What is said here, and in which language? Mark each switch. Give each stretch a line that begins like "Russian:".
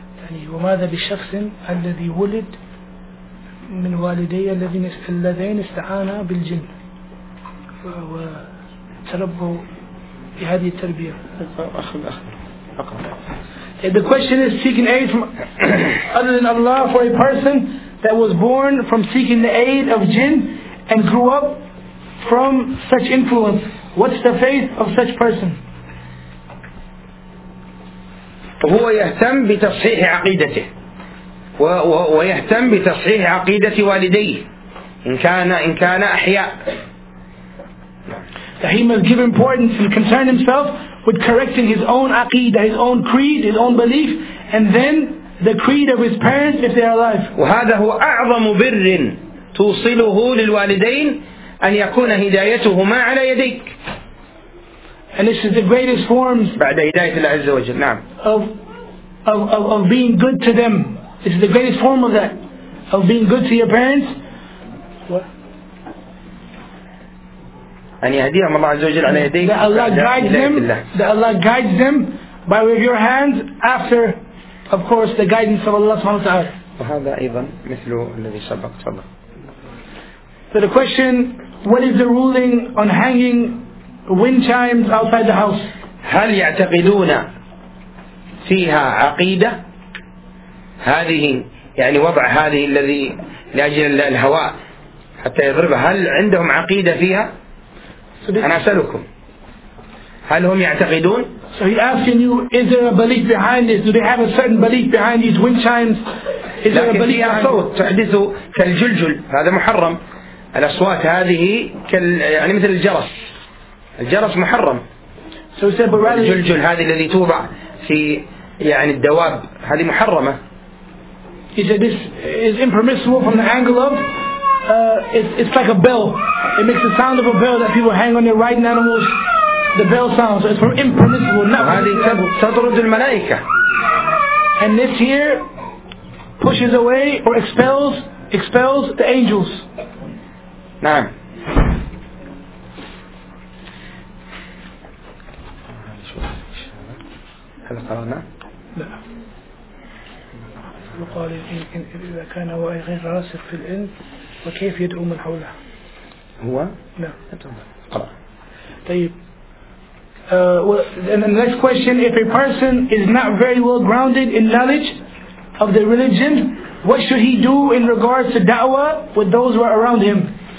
Arabic: يعني وماذا بالشخص الذي ولد من والدي الذين استعانا بالجن وتربوا بهذه التربية.
English: The question is seeking aid from other than Allah for a person that was born from seeking the aid of jinn and grew up from such influence. What's the faith of such person?
Arabic: هو يهتم بتصحيح عقيدته ويهتم بتصحيح عقيدة والديه إن كان أحياء.
English: He must give importance and concern himself with correcting his own aqidah, his own creed, his own belief, and then the creed of his parents if they are alive.
Arabic: وهذا هو أعظم بر توصله للوالدين أن يكون هدايتهما على يديك.
English: And this is the greatest forms
Arabic: بعد هداية الله عز وجل. نعم.
English: Of being good to them. This is the greatest form of that, of being good to your parents.
Arabic: أن يهديهم الله عز وجل على يديك.
English: That Allah guides them. That Allah guides them by way of your hands after, of course, the guidance of Allah
Arabic: سبحانه وتعالى. وهذا أيضا مثل الذي سبق تفضل.
English: So the question: what is the ruling on hanging wind chimes outside the house?
Arabic: هل يعتقدون فيها عقيدة؟ هذه يعني وضع هذه الذي لأجل الهواء حتى يضرب، هل عندهم عقيدة فيها؟ أنا أسألكم هل هم يعتقدون؟
English: So he's asking you, is there a belief behind this? Do they have a certain belief behind these wind chimes? Is there a belief behind
Arabic: صوت تحدث كالجلجل، هذا محرم. الأصوات هذه يعني مثل الجرس، الجرس محرم.
English: So he said, but rather
Arabic: الجلجل هذه الذي توضع في يعني الدواب هذه محرمة.
English: He said this is impermissible from the angle of it's like a bell. It makes the sound of a bell that people hang on their riding animals. The bell sounds. So it's from impermissible.
Arabic: تطرد الملائكة.
English: And this here pushes away or expels the angels.
Arabic: نعم. هل قرأنا؟ لا. وقال يمكن إذا كان هو غير راسخ في العلم وكيف يدعو من حوله؟ هو؟ لا. قرأ. طيب.
English: And then the next question: if a person is not very well grounded in knowledge of the religion, what should he do in regards to da'wah with those who are around him?